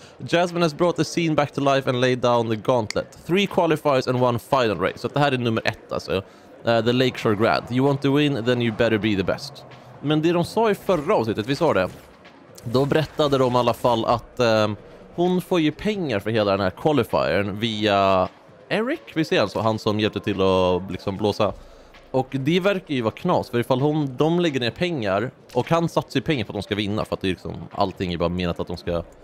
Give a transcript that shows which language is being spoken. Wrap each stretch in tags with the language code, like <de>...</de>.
<en>Jasmine has brought the scene back to life and laid down the gauntlet. 3 qualifiers and 1 final race.</en> <sv>Så det här är nummer 1 alltså.</sv> <en>The Lakeshore Grand. You want to win, then you better be the best.</en> <sv>Men det de sa i förra avsnittet, vi sa det. Då berättade de i alla fall att... Hon får ju pengar för hela den här qualifiern via Eric, vi ser alltså, han som hjälpte till att liksom blåsa. Och det verkar ju vara knas, för ifall hon, de lägger ner pengar, och han satsar ju pengar för att de ska vinna, för att det är liksom, allting är bara menat att de ska...</sv>